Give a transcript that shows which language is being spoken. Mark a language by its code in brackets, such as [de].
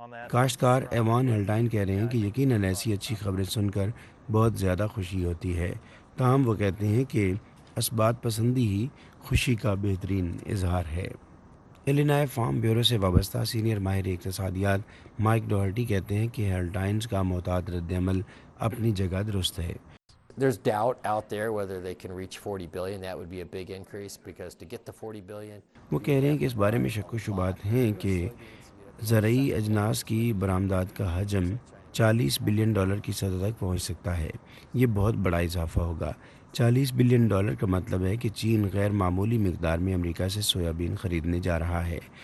[ur] کاشتکار ایوان ہلٹائن کہہ رہے ہیں کہ یقیناً ایسی اچھی خبریں سن کر بہت زیادہ خوشی ہوتی ہے، تاہم وہ کہتے ہیں کہ اسباب پسندی ہی خوشی کا بہترین اظہار ہے۔ الینوئے فارم بیورو سے وابستہ سینئر ماہر اقتصادیات مائک ڈوہرٹی کہتے ہیں کہ ہلٹائنز کا محتاط رد عمل اپنی جگہ درست ہے۔ [en] There's doubt out there whether they can reach 40 billion. That would be a big increase because to get the 40 billion [ur] وہ کہہ رہے ہیں کہ اس بارے میں شک و شبہات ہیں کہ زرعی اجناس کی برآمدات کا حجم $40 بلین کی سطح تک پہنچ سکتا ہے۔ یہ بہت بڑا اضافہ ہوگا۔ $40 بلین کا مطلب ہے کہ چین غیر معمولی مقدار میں امریکہ سے سویا بین خریدنے جا رہا ہے،